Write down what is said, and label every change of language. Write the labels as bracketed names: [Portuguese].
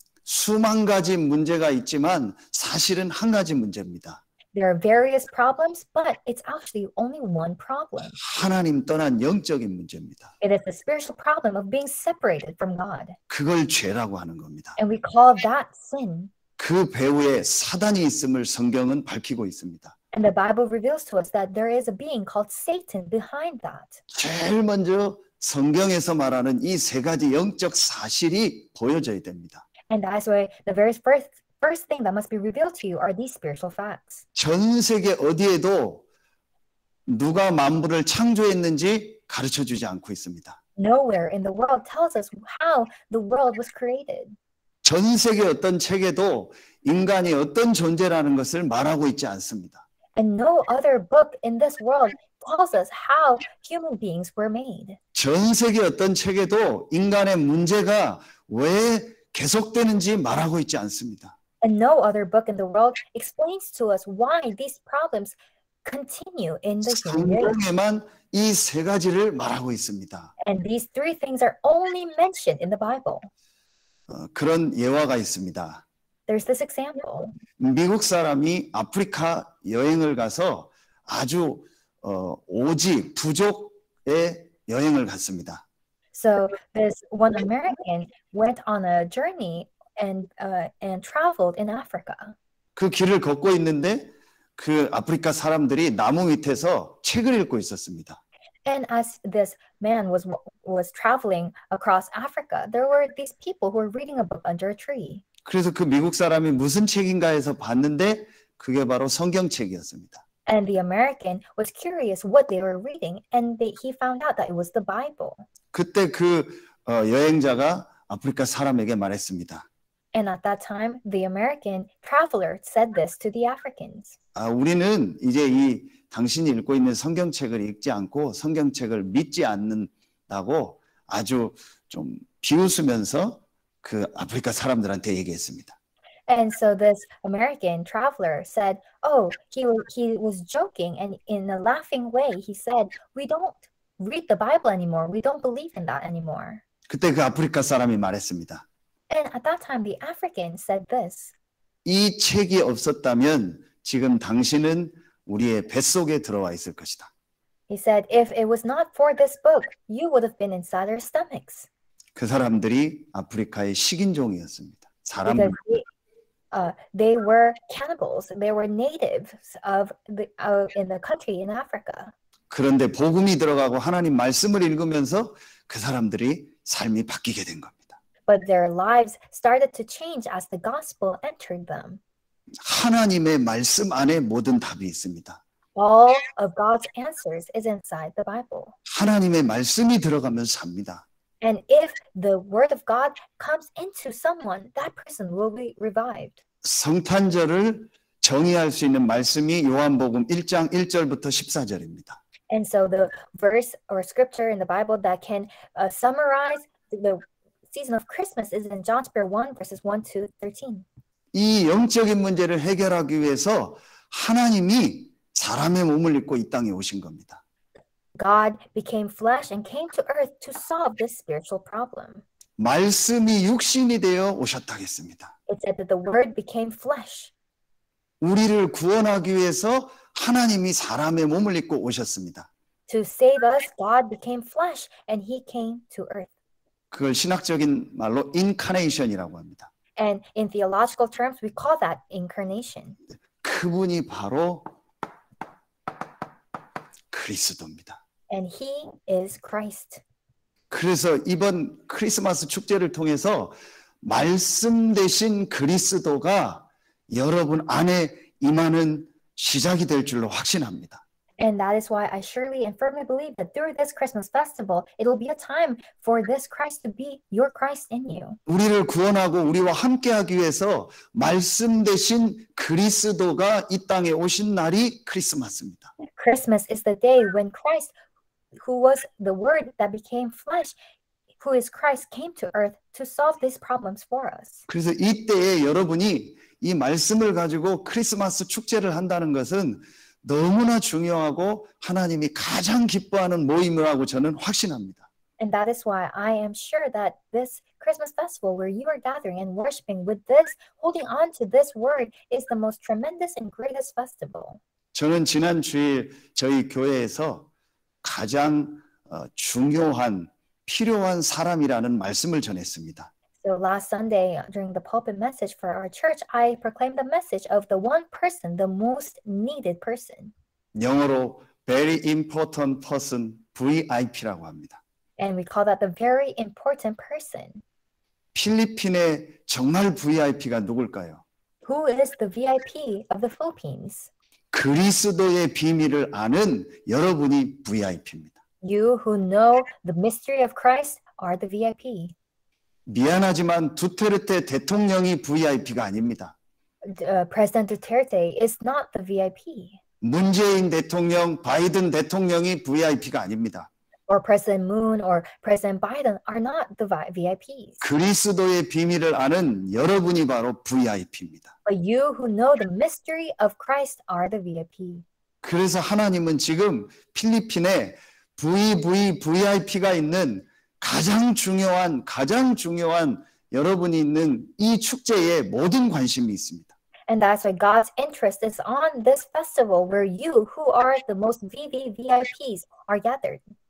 [Korean] 수만 가지 문제가 있지만 사실은 한 가지 문제입니다. [English] There are various problems, but it's actually only one problem. [Korean] 하나님 떠난 영적인 문제입니다. [English] It is the spiritual problem of being separated from God. [Korean] 그걸 죄라고 하는 겁니다. [English] And we call that sin. [Korean] 그 배후에 사단이 있음을 성경은 밝히고 있습니다. [English] And the Bible reveals to us that there is a being called Satan behind that. [Korean] 제일 먼저 성경에서 말하는 이 세 가지 영적 사실이 보여져야 됩니다. [English] And that's why the very first thing that must be revealed to you are these spiritual facts. [Korean] 전 세계 어디에도 누가 만물을 창조했는지 가르쳐 주지 않고 있습니다. [English] Nowhere in the world tells us how the world was created. [Korean] 전 세계 어떤 책에도 인간이 어떤 존재라는 것을 말하고 있지 않습니다. [English] And no other book in this world tells us how human beings were made. [Korean] 전 세계 어떤 책에도 인간의 문제가 왜 계속되는지 말하고 있지 않습니다. [English] And no other book in the world explains to us why these problems continue in the human race. [Korean] 성경에만 이 세 가지를 말하고 있습니다. [English] And these three things are only mentioned in the Bible. [Korean] 그런 예화가 있습니다. [English] There's this example. [Korean] 미국 사람이 아프리카 여행을 가서 아주 오지 부족의 여행을 갔습니다. [English] So this one American went on a journey and traveled in Africa. [Korean] 그 길을 걷고 있는데 그 아프리카 사람들이 나무 밑에서 책을 읽고 있었습니다. [English] And as this man was traveling across Africa, there were these people who were reading a book under a tree. [Korean] 그래서 그 미국 사람이 무슨 책인가 해서 봤는데 그게 바로 성경책이었습니다. [English] And the American was curious what they were reading, and he found out that it was the Bible. [Korean] 그때 그 여행자가 아프리카 사람에게 말했습니다. [English] And at that time, the American traveler said this to the Africans. [Korean] 아, 우리는 이제 이 당신이 읽고 있는 성경책을 읽지 않고 성경책을 믿지 않는다고 아주 좀 비웃으면서 그 아프리카 사람들한테 얘기했습니다. [English] And so this American traveler said, "Oh, he was joking, and in a laughing way, he said, 'We don't read the Bible anymore. We don't believe in that anymore.'" [Korean] 그때 그 아프리카 사람이 말했습니다. [English] And at that time, the African said this. [Korean] 이 책이 없었다면 지금 당신은 우리의 뱃속에 들어와 있을 것이다. [English] He said, "If it was not for this book, you would have been inside our stomachs." [Korean] 그 사람들이 아프리카의 식인종이었습니다. 사람들. [English] They were cannibals. They were natives of the in the country in Africa. [Korean] 그런데 복음이 들어가고 하나님 말씀을 읽으면서 그 사람들이 삶이 바뀌게 된 겁니다. [English] But their lives started to change as the gospel entered them. [Korean] 하나님의 말씀 안에 모든 답이 있습니다. [English] All of God's answers is inside the Bible. [Korean] 하나님의 말씀이 들어가면 삽니다. [English] And if the word of God comes into someone, that person will be revived. [Korean] 성탄절을 정의할 수 있는 말씀이 요한복음 1장 1절부터 14절입니다. [English] And so the verse or scripture in the Bible that can summarize the season of Christmas is in John chapter 1 verses 1 to 13. [Korean] 이 영적인 문제를 해결하기 위해서 하나님이 사람의 몸을 입고 이 땅에 오신 겁니다. [English] God became flesh and came to earth to solve this spiritual problem. [Korean] 말씀이 육신이 되어 오셨다 했습니다. [English] It said that the word became flesh. [Korean] 우리를 구원하기 위해서 하나님이 사람의 몸을 입고 오셨습니다. [English] To save us, God became flesh and he came to earth. [Korean] 그걸 신학적인 말로 incarnation이라고 합니다. [English] And in theological terms, we call that incarnation. [Korean] 그분이 바로 그리스도입니다. [English] And he is Christ. [Korean] 그래서 이번 크리스마스 축제를 통해서 말씀 대신 그리스도가 여러분 안에 임하는 시작이 될 줄로 확신합니다. [English] And that is why I surely and firmly believe that through this Christmas festival, it will be a time for this Christ to be your Christ in you. [Korean] 우리를 구원하고 우리와 함께하기 위해서 말씀 대신 그리스도가 이 땅에 오신 날이 크리스마스입니다. [English] Christmas is the day when Christ, who was the Word that became flesh, who is Christ, came to earth to solve these problems for us. [Korean] 그래서 이때에 여러분이 이 말씀을 가지고 크리스마스 축제를 한다는 것은 너무나 중요하고 하나님이 가장 기뻐하는 모임이라고 저는 확신합니다. [English] And that is why I am sure that this Christmas festival where you are gathering and worshiping with this, holding on to this word is the most tremendous and greatest festival. [Korean] 저는 지난 주일 저희 교회에서 가장 중요한 필요한 사람이라는 말씀을 전했습니다. [English] So last Sunday, during the pulpit message for our church, I proclaimed the message of the one person, the most needed person. [Korean] 영어로 [English] very important person, [Korean] VIP라고 합니다. [English] And we call that the very important person. [Korean] 필리핀의 정말 VIP가 누굴까요? [English] Who is the VIP of the Philippines? [Korean] 그리스도의 비밀을 아는 여러분이 VIP입니다. [English] You who know the mystery of Christ are the VIP. [Korean] 미안하지만 두테르테 대통령이 VIP가 아닙니다. [English] President Duterte is not the VIP. [Korean] 문재인 대통령, 바이든 대통령이 VIP가 아닙니다. [English] Or President Moon or President Biden are not the VIPs. [Korean] 그리스도의 비밀을 아는 여러분이 바로 VIP입니다. [English] But you who know the mystery of Christ are the VIP. [Korean] 그래서 하나님은 지금 필리핀에 VVVIP가 있는 가장 중요한 여러분이 있는 이 축제에 모든 관심이 있습니다. [English] And that's why God's interest is on this festival where you who are the most VVVIPs are gathered.